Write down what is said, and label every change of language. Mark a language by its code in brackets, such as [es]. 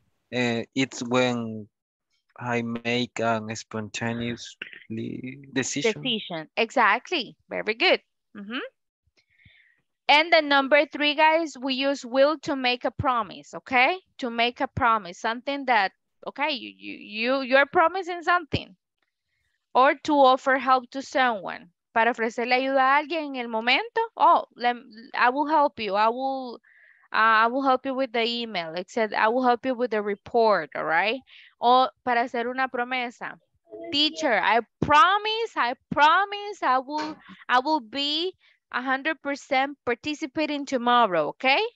[en] It's when I make an spontaneous decision. Decision, exactly. Very good. Mm-hmm. And the number three, guys, we use will to make a promise, okay? To make a promise, something that, okay, you're promising something. Or to offer help to someone. [es] Para ofrecerle ayuda a alguien en el momento. [en] Oh, I will help you. I will help you with the email. Except I will help you with the report, all right? [es] O para hacer una promesa. [en] Teacher, I promise I will be 100% participating tomorrow, okay?